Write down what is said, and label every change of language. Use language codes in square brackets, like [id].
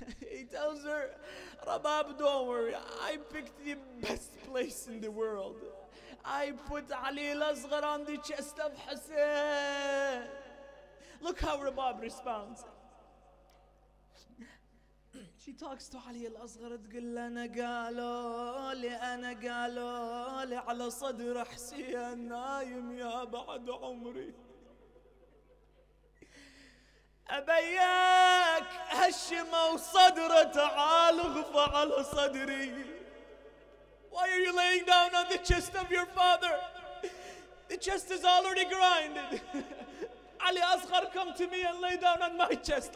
[en] He tells her, Rabab, don't worry. I picked the best place in the world. I put Ali al-Asghar on the chest of Hussein. Look how Rabab responds. She talks to Ali al-Asghar. [ar] تقول لنا قالوا لي أنا قالوا لي على صدر حسين نايم يا بعد عمري. أبياك هشمة وصدرة تعال غفى على صدري. [en] Why are you laying down on the chest of your father? The chest is already grinded. Ali Asghar, come to me and lay down on my chest.